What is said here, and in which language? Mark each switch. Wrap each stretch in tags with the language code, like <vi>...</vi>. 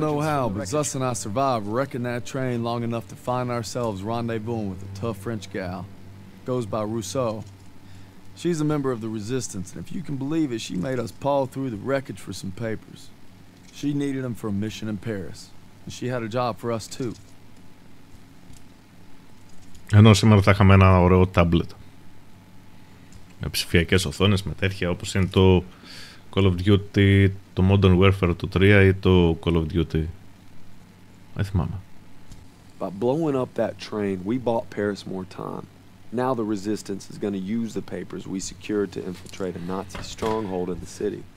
<en>Don't know how, but Zuss and I survived wrecking that train long enough to find ourselves rendezvousing with a tough French gal. Goes by Rousseau. She's a member of the Resistance, and if you can believe it, she made us paw through the wreckage for some papers. She needed them for a mission in Paris. And she had a job for us too.</en> <el>Ενώ σήμερα θα είχαμε ένα ωραίο tablet. Με ψηφιακές οθόνες, με τέτοια όπως είναι το Call of Duty, το Modern Warfare το 3 ή το Call of Duty. Δεν θυμάμαι.</el> <en>By blowing up that train, we bought Paris more time. Now the Resistance is going to use the papers we secured to infiltrate a Nazi stronghold in the city.</en>